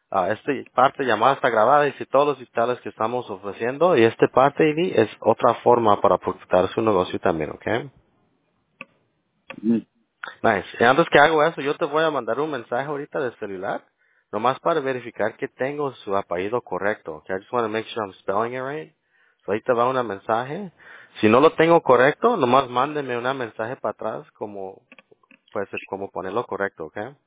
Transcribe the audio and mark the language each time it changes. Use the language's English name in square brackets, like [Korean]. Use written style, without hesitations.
[Spanish] Esta parte llamada está grabada y todos los detalles que estamos ofreciendo. Y esta parte, Ivy, es otra forma para proyectar su negocio también, ¿ok? Nice. Y antes que hago eso, yo te voy a mandar un mensaje ahorita de celular, nomás para verificar que tengo su apellido correcto. [English] Okay, I just want to make sure I'm spelling it right. [Spanish] So ahí te va un mensaje. Si no lo tengo correcto, nomás mándeme un mensaje para atrás como, pues, como ponerlo correcto, ¿ok?